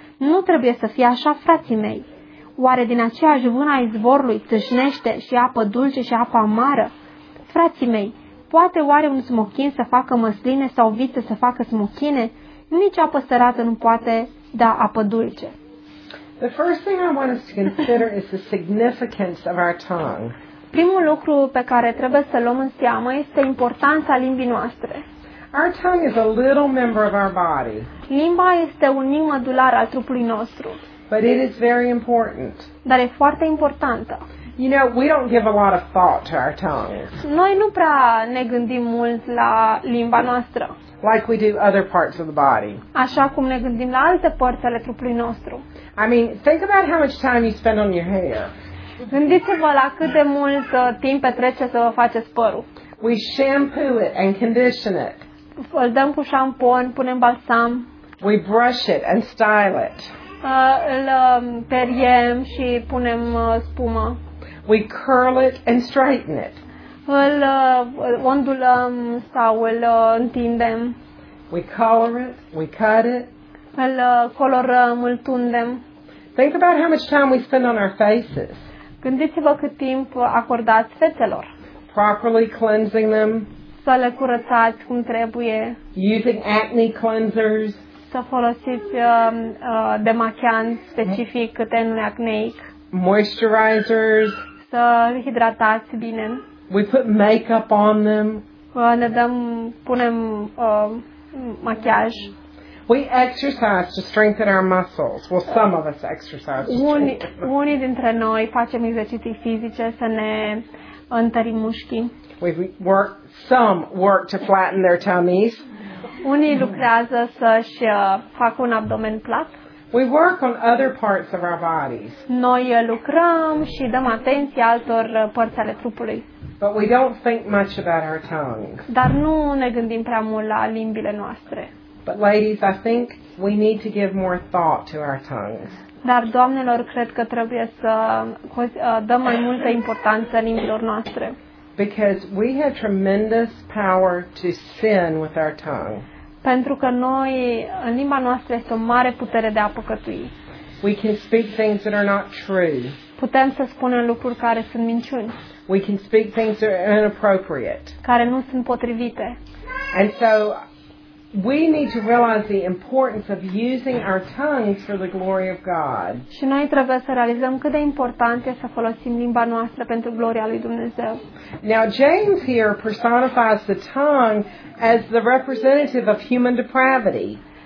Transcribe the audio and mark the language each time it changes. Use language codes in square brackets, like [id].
[ro] Nu trebuie să fie așa, frații mei. Oare din aceeași vână a izvorului țâșnește și apă dulce și apă amară? Frații mei, poate oare un smochin să facă măsline sau o viță să facă smochine? Nici apă sărată nu poate da apă dulce. [en] The first thing I want us to consider is the significance of our tongue. [ro] Primul lucru pe care trebuie să luăm în seamă este importanța limbii noastre. [en] Our tongue is a little member of our body. [ro] Limba este un mic mădular al trupului nostru. [en] But it is very important. [ro] Dar e foarte importantă. [en] You know, we don't give a lot of thought to our tongue. [ro] Noi nu prea ne gândim mult la limba noastră. [en] Like we do other parts of the body. [ro] Așa cum ne gândim la alte părți ale trupului nostru. [en] I mean, think about how much time you spend on your hair. [ro] Gândiți-vă la cât de mult timp petrece să vă faceți părul. [en] We shampoo it and condition it. [ro] Îl dăm cu șampon, punem balsam. [en] We brush it and style it. [ro] Îl periem și punem spumă. [en] We curl it and straighten it. [ro] Îl ondulăm sau îl întindem. [en] We color it, we cut it. [ro] Îl colorăm, îl tundem. [en] Think about how much time we spend on our faces. [ro] Gândiți-vă cât timp acordați fețelor. [en] Properly cleansing them. [ro] Să le curățați cum trebuie. [en] Using acne cleansers. [ro] Să folosiți demachiant specific tenului acneic. [en] Moisturizers. [ro] Să hidratați bine. [en] We put makeup on them. [ro] Ne dăm, punem machiaj. [en] We exercise to strengthen our muscles. Well, some of us exercise. [ro] Unii dintre noi facem exerciții fizice să ne întărim mușchii. [en] Some work to flatten their tummies. [ro] Unii lucrează să-și facă un abdomen plat. [en] We work on other parts of our bodies. [ro] Noi lucrăm și dăm atenție altor părți ale trupului. [en] But we don't think much about our tongue. [ro] Dar nu ne gândim prea mult la limbile noastre. [en] But ladies, I think we need to give more thought to our tongues. [ro] Dar doamnelor, cred că trebuie să dăm mai multă importanță limbilor noastre. [en] Because we have tremendous power to sin with our tongue. [ro] Pentru că noi, în limba noastră, este o mare putere de a păcătui. [en] We can speak things that are not true. [ro] putem să spunem lucruri care sunt minciuni. [en] We can speak things that are inappropriate. [ro] Care nu sunt potrivite. [en] And so we need to realize the importance of using our tongues for the glory of God. [ro] Și noi trebuie să realizăm cât de important este să folosim limba noastră pentru gloria lui Dumnezeu. [en] Now James here personifies the tongue as the representative of human depravity.